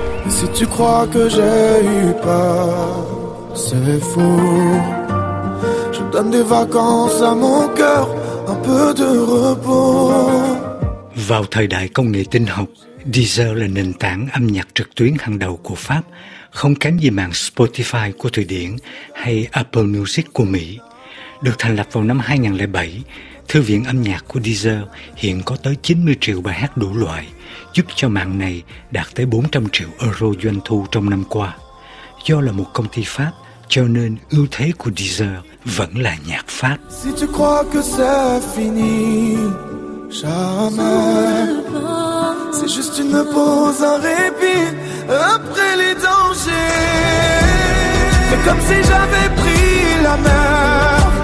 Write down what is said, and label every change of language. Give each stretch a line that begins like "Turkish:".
French: Si tu crois que j'ai eu peur, c'est faux. Je donne des vacances à mon cœur, un peu de repos.
Vietnamese: Vào thời đại công nghệ tin học, Deezer là nền tảng âm nhạc trực tuyến hàng đầu của Pháp, không kém gì mạng Spotify của Thụy Điển hay Apple Music của Mỹ. Được thành lập vào năm 2007, thư viện âm nhạc của Deezer hiện có tới 90 triệu bài hát đủ loại, giúp cho mạng này đạt tới 400 triệu euro doanh thu trong năm qua. Do là một công ty Pháp, cho nên ưu thế của Deezer vẫn là nhạc Pháp.
French: Si tu crois que c'est fini, jamais. C'est juste une pause, un répit après les dangers. Mais comme si j'avais pris la mer,